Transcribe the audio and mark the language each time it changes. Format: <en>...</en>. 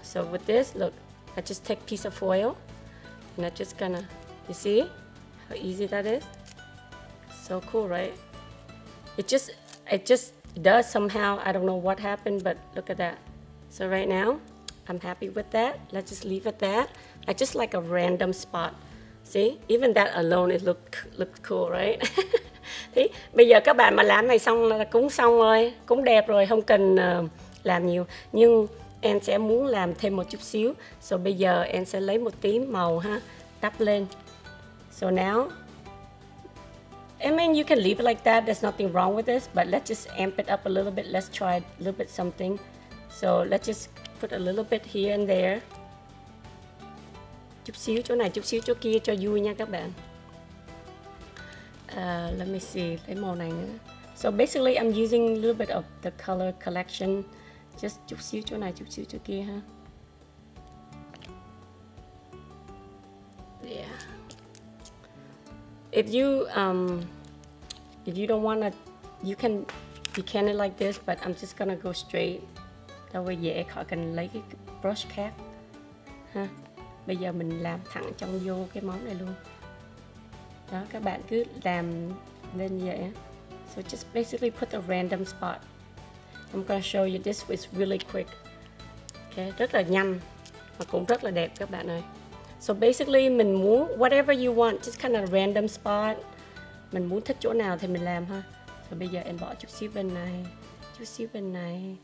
<en>So with this, look, I just take piece of foil and I'm just gonna, you see how easy that is? So cool, right? It just does somehow, I don't know what happened, but look at that. So right now, I'm happy with that. Let's just leave it that. I just like a random spot. See, even that alone it looked cool, right?</en> <vi>Thế bây giờ các bạn mà làm này xong là cũng xong rồi, cũng đẹp rồi, không cần làm nhiều. Nhưng em sẽ muốn làm thêm một chút xíu. So bây giờ em sẽ lấy một tí màu ha, đắp lên.</vi> <en>So now, I mean you can leave it like that, there's nothing wrong with this, but let's just amp it up a little bit, let's try a little bit something. So let's just put a little bit here and there.</en> <vi>Chút xíu chỗ này, chút xíu chỗ kia cho vui nha các bạn.</vi> <en>Let me see,</en> <vi>lấy màu này nữa.</vi> <en>So basically I'm using a little bit of the color collection.</en> <vi>Just chút xíu chỗ này, chút xíu chỗ kia ha.</vi> <en>Yeah. If you don't wanna, you can decant it like this, but I'm just gonna go straight. That way</en> <vi>dễ khỏi cần lấy cái brush cap. Ha. Bây giờ mình làm thẳng trong vô cái món này luôn. Đó, các bạn cứ làm lên vậy.</vi> <en>So just basically put a random spot. I'm gonna show you this is really quick.</en> <vi>Okay, rất là nhanh mà cũng rất là đẹp các bạn ơi.</vi> <en>So basically</en> <vi>mình muốn</vi> <en>whatever you want, just kind of random spot.</en> <vi>Mình muốn thích chỗ nào thì mình làm ha. So bây giờ em bỏ chút xíu bên này, chút xíu bên này.</vi>